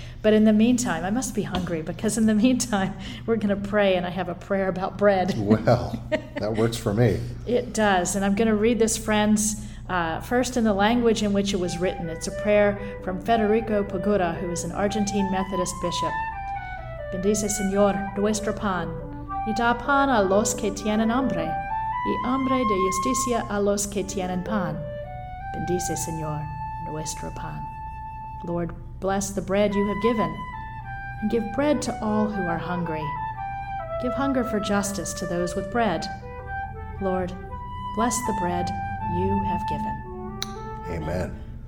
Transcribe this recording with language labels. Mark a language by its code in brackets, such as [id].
[en] But in the meantime, I must be hungry, because in the meantime, we're going to pray, and I have a prayer about bread. Well, that works for me. It does, and I'm going to read this, friends, first in the language in which it was written. It's a prayer from Federico Pagura, who is an Argentine Methodist bishop. [es] Bendice, Señor, nuestro pan, y da pan a los que tienen hambre, y hambre de justicia a los que tienen pan. Bendice, Señor, nuestro pan. [en] Lord, bless the bread you have given, and give bread to all who are hungry. Give hunger for justice to those with bread. Lord, bless the bread you have given. Amen.